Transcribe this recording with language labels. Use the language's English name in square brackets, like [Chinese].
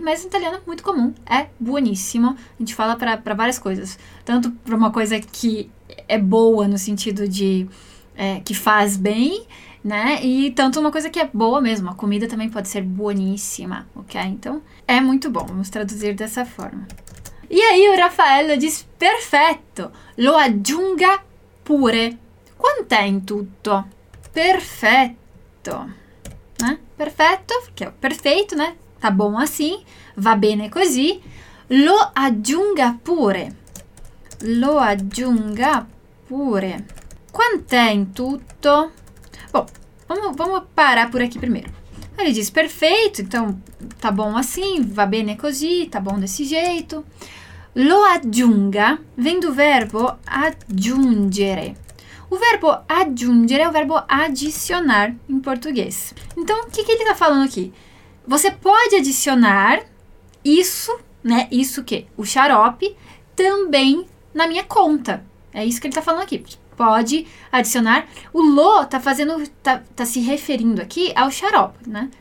[Portuguese] Mas em italiano é muito comum, é buoníssimo. A gente fala para várias coisas. Tanto para uma coisa que é boa no sentido de que faz bem, né? E tanto uma coisa que é boa mesmo. A comida também pode ser buoníssima, ok? Então, é muito bom. Vamos traduzir dessa forma. E aí o Raffaello diz, [Italian] perfetto, lo aggiunga pure. Quant'è in tutto? Perfetto. Né? [Portuguese] Perfetto, que é perfeito, né? Tá bom assim, [Italian] va bene così. Lo aggiunga pure. Lo aggiunga pure. Quant'è in tutto? [Portuguese] Bom, vamos parar por aqui primeiro. Ele diz perfeito, então tá bom assim, [Italian] va bene così, [Portuguese] tá bom desse jeito. Lo aggiunga vem do verbo aggiungere. O verbo aggiungere é o verbo adicionar em português. Então, o que, que ele está falando aqui? Você pode adicionar isso, né? Isso o quê? O xarope, também na minha conta. É isso que ele está falando aqui. Pode adicionar. O lo está fazendo, tá se referindo aqui ao xarope, né?